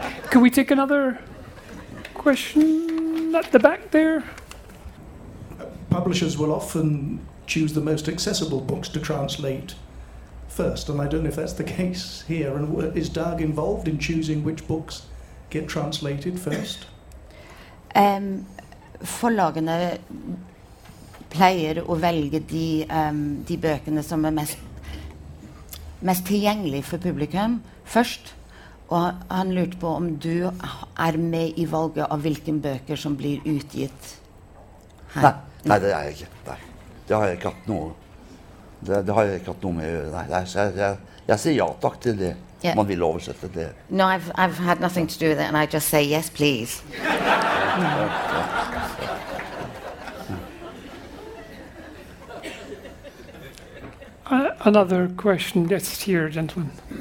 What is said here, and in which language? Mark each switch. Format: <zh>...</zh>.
<en>Can we take another question at the back there? Publishers will often choose the most accessible books to translate first, and I don't know if that's the case here. And is Dag involved in choosing which books get translated first?</en> <no>Forlagene pleier å velge de bøkene som mest tilgjengelige for publikum først. Og han lurte på om du med I valget av hvilken bøker som blir utgitt her. Nei, det jeg ikke. Nei. Det har jeg ikke hatt noe. Det har jeg ikke hatt noe med å gjøre. Nei, så jeg sier ja takk til det. Yeah. Man vil oversette det.</no> <en>No, I've had nothing to do with it, and I just say yes, please. Another question that's here, gentlemen.</en>